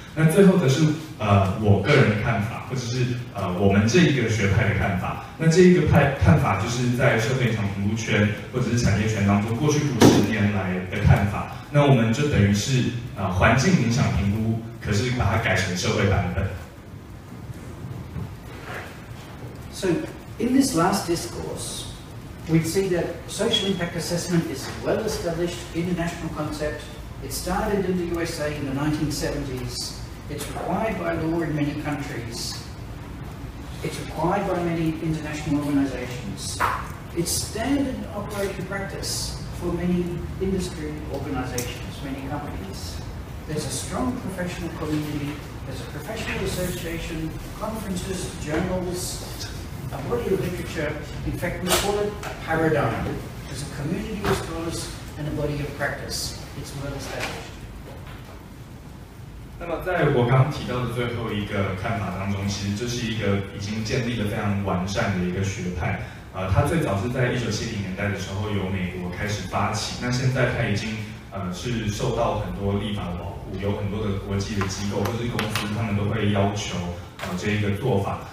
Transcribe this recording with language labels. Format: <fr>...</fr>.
<zh>那最后则是我个人的看法，或者是我们这一个学派的看法。那这一个派看法就是在社会影响评估圈或者是产业圈当中过去五十年来的看法。那我们就等于是环境影响评估，可是把它改成社会版本。</zh> <en>So in this last discourse, we see that social impact assessment is a well-established international concept. It started in the USA in the 1970s. It's required by law in many countries. It's required by many international organizations. It's standard operating practice for many industry organizations, many companies. There's a strong professional community. There's a professional association, conferences, journals, a body of literature. In fact, we call it a paradigm. There's a community of scholars and a body of practice. It's well established.</en> <zh>那么在我刚提到的最后一个看法当中，其实这是一个已经建立了非常完善的一个学派。它最早是在1970年代的时候由美国开始发起，那现在它已经是受到很多立法的保护，有很多的国际的机构或是公司他们都会要求这一个做法。</zh>